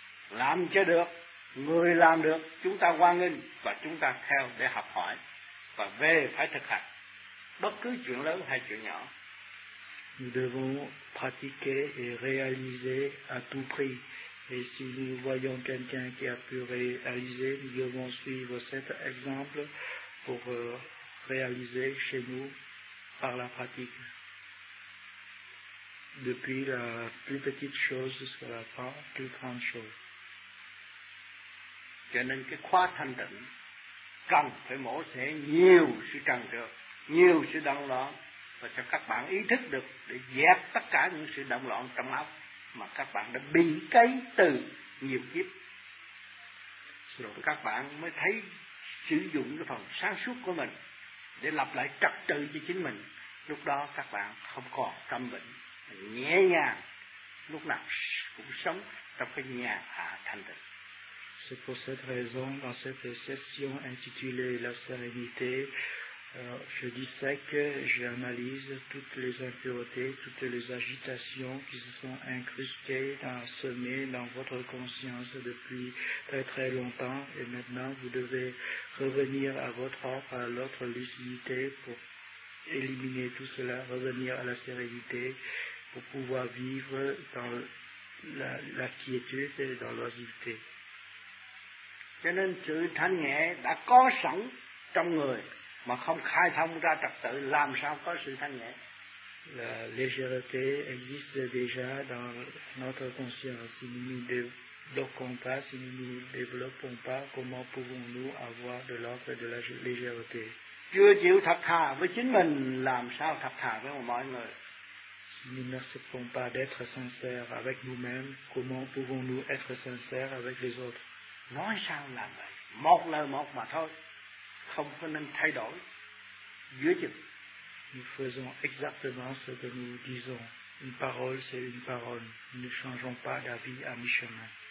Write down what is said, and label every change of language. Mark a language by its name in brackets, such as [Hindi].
[Vietnamese] Làm cho được, người làm được, chúng ta quan nghênh và chúng ta theo để học hỏi và về phải thực hành, bất cứ chuyện lớn hay chuyện nhỏ. [French] Nous devons pratiquer et réaliser à tout prix. Et si nous voyons quelqu'un qui a pu réaliser, nous devons suivre cet exemple pour réaliser chez nous par la pratique. Depuis la plus petite chose jusqu'à la plus grande chose. [Vietnamese] Cho nên cái khóa thanh tịnh cần phải mổ xẻ nhiều sự trần trược, nhiều sự động loạn, và cho các bạn ý thức được để dẹp tất cả những sự động loạn trong óc mà các bạn đã bị cấy từ nhiều kiếp. Rồi các bạn mới thấy sử dụng cái phần sáng suốt của mình để lập lại trật tự cho chính mình. Lúc đó các bạn không còn căm bệnh, nhẹ nhàng, lúc nào cũng sống trong cái nhà hạ thanh tịnh. [French] C'est pour cette raison, dans cette session intitulée La Sérénité, je dissèque, j'analyse toutes les impuretés, toutes les agitations qui se sont incrustées, semées dans votre conscience depuis très très longtemps, et maintenant vous devez revenir à votre ordre, à l'autre lucidité pour éliminer tout cela, revenir à la sérénité pour pouvoir vivre dans la quiétude et dans l'oisiveté. [Vietnamese] Cho nên sự thanh nhẹ đã có sẵn trong người mà không khai thông ra trật tự, làm sao có sự thanh nhẹ? [French] La légèreté existe déjà dans notre conscience. Si nous ne développons pas, si nous ne développons pas, comment pouvons-nous avoir de l'ordre de la légèreté? [Vietnamese] Chưa chịu thật thà với chính mình, làm sao thật thà với mọi người? [French] Si nous n'acceptons pas d'être sincères avec nous-mêmes, comment pouvons-nous être sincères avec les autres? [Vietnamese] Nói sao làm vậy? Một lời một mà thôi, không có nên thay đổi giữa chừng. [French] Nous faisons exactement ce que nous disons. Une parole, c'est une parole. Nous ne changeons pas d'avis à mi-chemin.